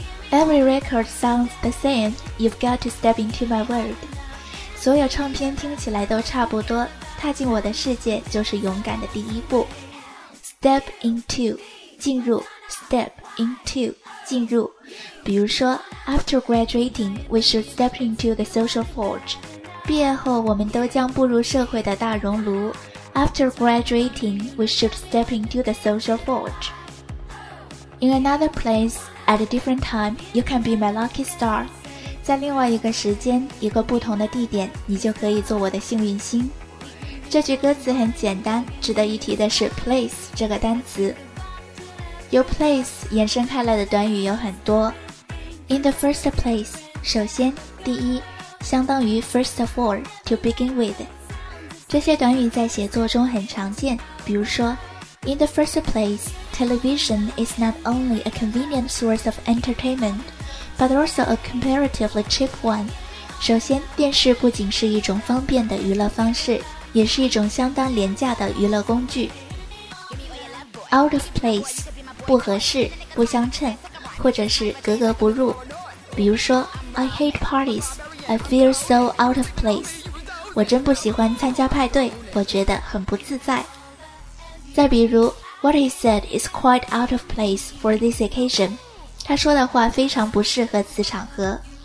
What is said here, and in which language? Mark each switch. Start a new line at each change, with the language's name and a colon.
English: Every record sounds the same, you've got to step into my world.
Chinese: 所有唱片听起来都差不多，踏进我的世界就是勇敢的第一步。
English: Step into, 进入 step into, 进入。
Chinese: 比如说
English: After graduating, we should step into the social forge.
Chinese: 毕业后我们都将步入社会的大熔炉。
English: After graduating, we should step into the social forge. In another place,At a different time, you can be my lucky star.
Chinese: 在另外一个时间，一个不同的地点，你就可以做我的幸运星。这句歌词很简单，值得一提的是 place 这个单词。由 place 延伸开来的短语有很多。
English: In the first place,
Chinese: 首先，第一，相当于
English: first of all, to begin with.
Chinese: 这些短语在写作中很常见，比如说
English: In the first place, television is not only a convenient source of entertainment, but also a comparatively cheap one.
Chinese: 首先，电视不仅是一种方便的娱乐方式，也是一种相当廉价的娱乐工具。
English: Out of place,
Chinese: 不合适、不相称，或者是格格不入。比如说
English: ,I hate parties, I feel so out of place.
Chinese: 我真不喜欢参加派对，我觉得很不自在。再比如
English: ,What he said is quite out of place for this occasion.
Chinese: 他说的话非常不适合此场合。